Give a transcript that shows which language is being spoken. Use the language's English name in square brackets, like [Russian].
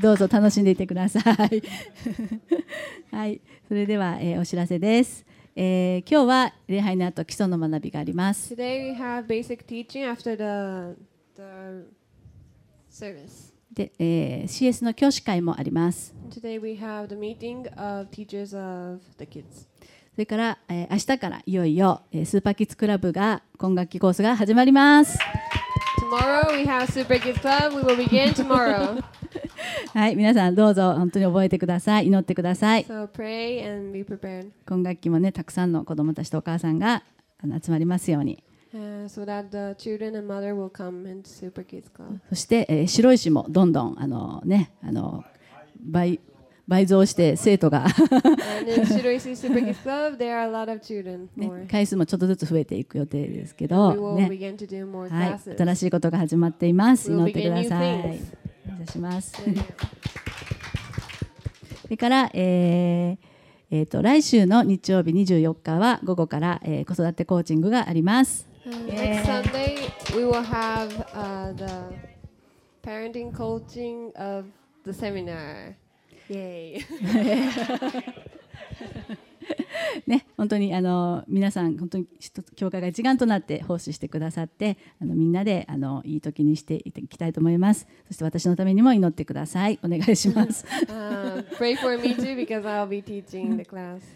[Japanese] どうぞ楽しんでいてください。はい、それでは、お知らせです。今日は礼拝の後基礎の学びがあります。 [English] Today we have basic teaching after the service. [Japanese] で、CS の教師会もあります。 [English] Today we have the meeting of teachers of the kids. [Japanese] それから、明日からいよいよ、スーパーキッズクラブが今学期コースが始まります。 [English] Tomorrow we have Super Kids Club. We will begin tomorrow. [Japanese] はい、皆さんどうぞ本当に覚えてください。祈ってください。 [English] So pray and be prepared. [Japanese] 今学期もね、たくさんの子どもたちとお母さんが集まりますように。 [English] So that the children and mother will come into Super Kids Club. [Japanese] そして、白石もどんどんね、倍増して生徒が白石スーパーキッズクラブ、ね、回数もちょっとずつ増えていく予定ですけど、ね、はい、新しいことが始まっています。祈ってください。お願いします。それから、来週の日曜日24日は午後から、子育てコーチングがあります。 [English] Next Sunday we will have the parenting coaching of the seminar. Yay. [Japanese] ね、本当に皆さん本当に教会が一丸となって奉仕してくださって、みんなでいい時にしていきたいと思います。そして私のためにも祈ってください。お願いします。 [English] Pray for me too because I'll be teaching the class.